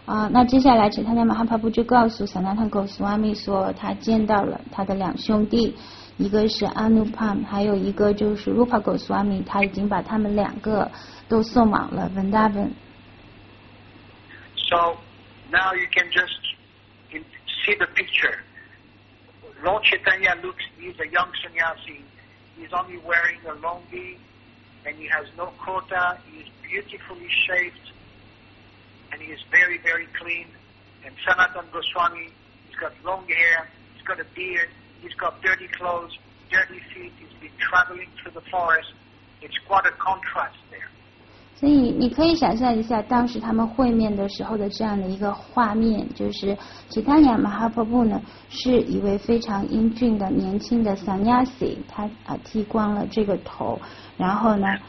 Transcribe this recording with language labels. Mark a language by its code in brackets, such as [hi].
[zh] 那接下来Chaitanya Mahaprabhu就告诉 Sanatana Goswami 说他见到了他的两兄弟，一个是 Anupam， 还有一个就是 Rupa Goswami， 他已经把他们两个都送往了 Vrindavan。 [en] So now you can just see the picture. Lord Chaitanya looks, he's a young sannyasi, he's only wearing a longi and he has no kota, he'sBeautifully shaved, and he is very, very clean. And Sanatana Goswami, he's got long hair, he's got a beard, he's got dirty clothes, dirty feet. He's been traveling through the forest. It's quite a contrast there. [zh] 所以你可以想象一下当时他们会面的时候的这样的一个画面，就是其他两马哈婆布呢是一位非常英俊的年轻的 sannyasi， 他剃光了这个头，然后呢。